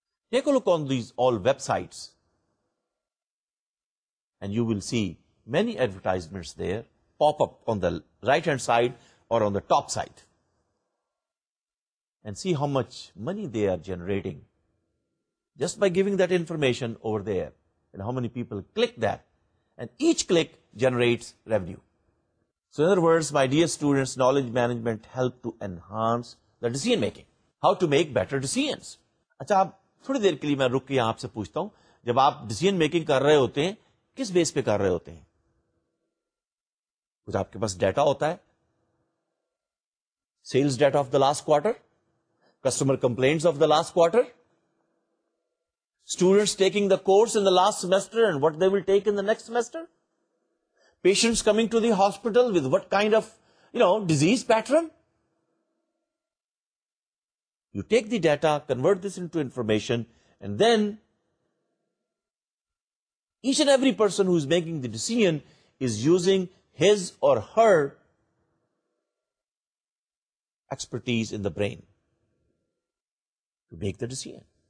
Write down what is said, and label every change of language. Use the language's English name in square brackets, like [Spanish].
[English] Take a look on these all websites and you will see many advertisements there pop up on the right hand side or on the top side, and see how much money they are generating just by giving that information over there, and how many people click that, and each click generates revenue. So in other words, my dear students, knowledge management help to enhance the decision making, how to make better decisions. [Urdu] Achha, تھوڑی دیر کے لیے میں رک کے آپ سے پوچھتا ہوں, جب آپ ڈیسیژن میکنگ کر رہے ہوتے ہیں کس بیس پہ کر رہے ہوتے ہیں؟ کچھ آپ کے پاس ڈیٹا ہوتا ہے, [English] Sales data of the last quarter, customer complaints of the last quarter, students taking the course in the last semester and what they will take in the next semester, patients coming to the hospital with what kind of you know disease pattern. You take the data, convert this into information, and then each and every person who is making the decision is using his or her expertise in the brain to make the decision.